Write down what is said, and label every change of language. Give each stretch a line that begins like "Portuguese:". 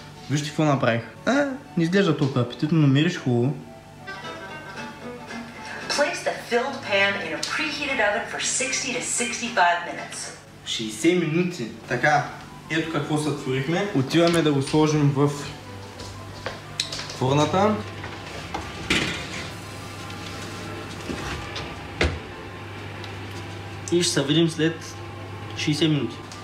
Bulgarian: Вижте какво направих. Не изглежда толкова апетитно, но мириш хубаво.
English: Place the filled pan in a preheated oven for 60 to 65 minutes.
Bulgarian: 60 минути. Така, ето какво сътворихме. Отиваме да го сложим в фурната. И ще се видим след 60 минути.